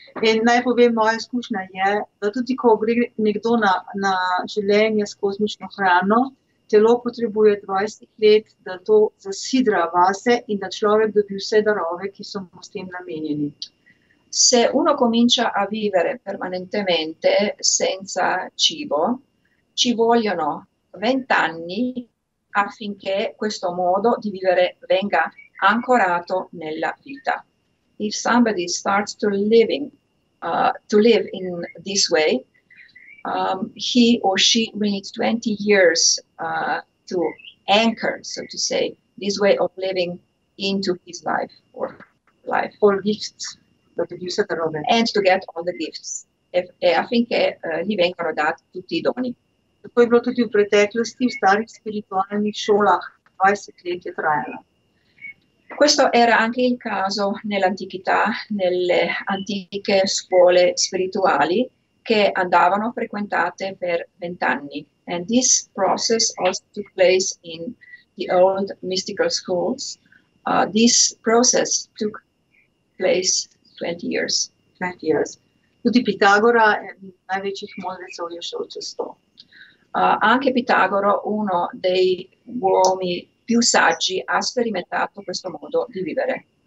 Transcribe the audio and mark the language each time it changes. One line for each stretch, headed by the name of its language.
Slovenian: In naj povem, moja izkušnja je, da tudi ko gre nekdo na življenje s kozmično hrano, telo potrebuje 20 let, da to zasidra vase in da človek dobi vse darove, ki so mu s tem namenjeni.
Italian: Se uno comincia a vivere permanentemente senza cibo, ci vogliono 20 anni affinché questo modo di vivere venga ancorato nella vita.
English: If somebody starts to live in this way, he or she will need 20 years to anchor, so to say, this way of living into his life or life. All gifts. And to get all the gifts.
Italian: E affinché gli vengano dati tutti i doni.
Slovenian: Tako je bilo tudi v preteklosti, v starih spiritualnih šolah, 20 let je trajalo.
Italian: Questo era anche il caso nell'antichità, nelle antiche scuole spirituali che andavano frequentate per 20 anni.
English: And this process also took place in the old mystical schools. This process took place 20 years.
Slovenian: Tudi Pitagora je največjih modrecov je šel čez to.
Italian: Anche Pitagoro, uno dei uomini più saggi, ha sperimentato questo modo di vivere.